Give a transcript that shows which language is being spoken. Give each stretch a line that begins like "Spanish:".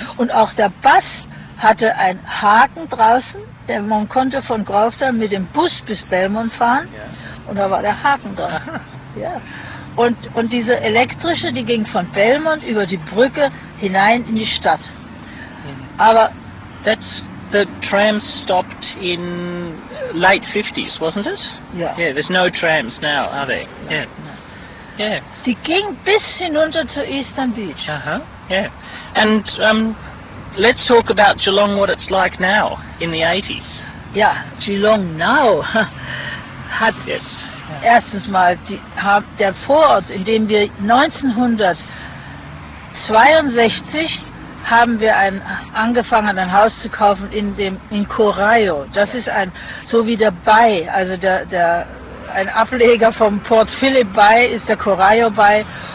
German: Und auch der Bus hatte einen Haken draußen, denn man konnte von Grafton mit dem Bus bis Belmont fahren. Und da war der Haken dran. Ja. Und diese elektrische, die ging von Belmont über die Brücke hinein in die Stadt. Aber
English: the trams stopped in late 50s, wasn't it? Yeah. Yeah, there's no trams now, are there? No, yeah. No. Yeah.
German: Die ging bis hinunter
English: to Eastern Beach. Uh-huh. Yeah. And let's talk about Geelong, what it's like now in the 80s. Yeah, Geelong now hat yes.
German: Erstens mal der Vorort, in dem wir 1962 haben wir angefangen, ein Haus zu kaufen in Corio. Das ist ein, so wie der Bay, also ein Ableger vom Port Phillip Bay ist der Corio Bay.